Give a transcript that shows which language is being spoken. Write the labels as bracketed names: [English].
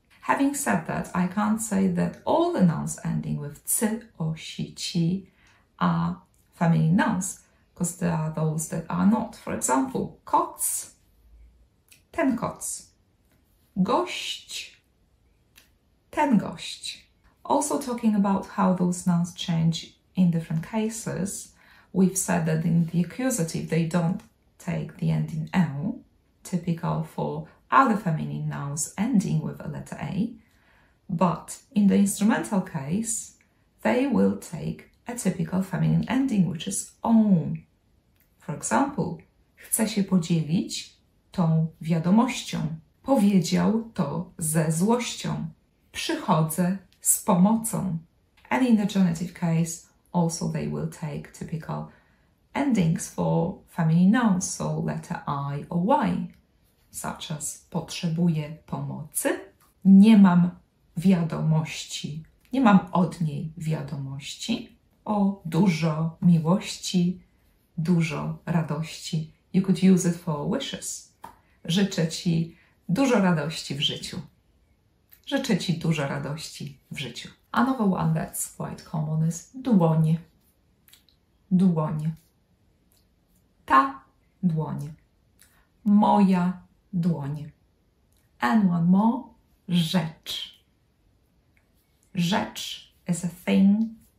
[English] Having said that, I can't say that all the nouns ending with c or si, ci are feminine nouns, because there are those that are not. For example, [Polish] koc, ten koc, gość, ten gość. [English] Also talking about how those nouns change in different cases, we've said that in the accusative, they don't take the ending L, typical for other feminine nouns ending with a letter A. But in the instrumental case, they will take a typical feminine ending, which is O. [Polish] For example, chcę się podzielić tą wiadomością. Powiedział to ze złością. Przychodzę z pomocą. [English] And in the genitive case, also, they will take typical endings for feminine nouns, so letter I or Y, such as [Polish] potrzebuję pomocy, nie mam wiadomości, nie mam od niej wiadomości, o dużo miłości, dużo radości. [English] You could use it for wishes. [Polish] Życzę ci dużo radości w życiu. Życzę ci dużo radości w życiu. [English] Another one that's quite common is dłoń. [Polish] Dłoń. Ta dłoń. moja dłoń. [English] And one more, rzecz. Rzecz is a thing.